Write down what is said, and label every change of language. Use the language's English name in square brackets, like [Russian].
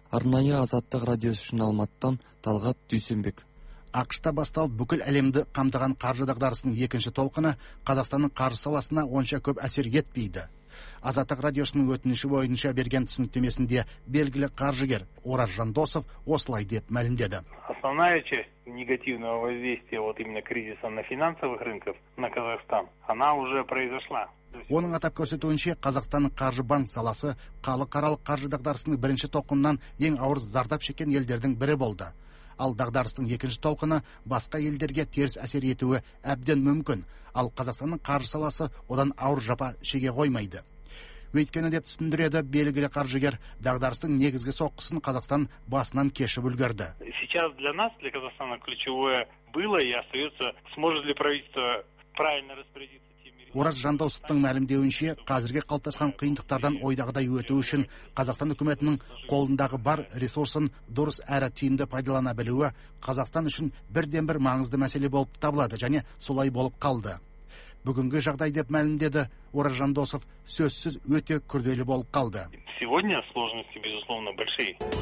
[Kazakh] Арнайы азаттық радиосы үшін Алматыдан Талғат Дүйсенбек. Ақшта басталып, бүкіл әлемді қамдыған қаржы дағдарысының екінші толқыны Қазақстанның қаржы саласына онша көп әсер етпейді. Азаттық радиосының өтініші бойынша берген түсініктемесінде белгілі қаржыгер Орар Жандосов осылай деп мәлімдеді. [Russian] Основная часть негативного воздействия вот именно кризиса на финансовых рынках на Казахстан, она уже произошла. [Kazakh] Оның атап көрсетуінше, Қазақстанның қаржы банк саласы халықаралық қаржы дағдарысының бірінші толқынынан ең ауыр зардап шеккен елдердің бірі болды. Ал дағдарыстың екінші толқыны басқа елдерге теріс әсер етуі әбден мүмкін. Ал Қазақстанның қаржы саласы одан ауыр жапа шеге қоймайды. Өйткені деп түсіндіреді белгілі қаржыгер, дағдарыстың негізгі соққысын Қазақстан басынан кешіп үлгерді. [Russian] Сейчас для нас, для Казахстана ключевое было и остается, сможет ли правительство правильно распорядиться. [Kazakh] Ораз Жандосовтың мәлімдеуінше, қазіргі қалыптасқан қиындықтардан ойдағыдай өту үшін Қазақстан үкіметінің қолындағы бар ресурсын дұрыс әрі тиімді пайдалана білуі Қазақстан үшін бірден бір маңызды мәселе болып табылады және солай болып қалды. Бүгінгі жағдай деп мәлімдеді Ораз Жандосов, сөзсіз өте күрделі болып қалды. [Russian] Сегодня сложности, безусловно, большие.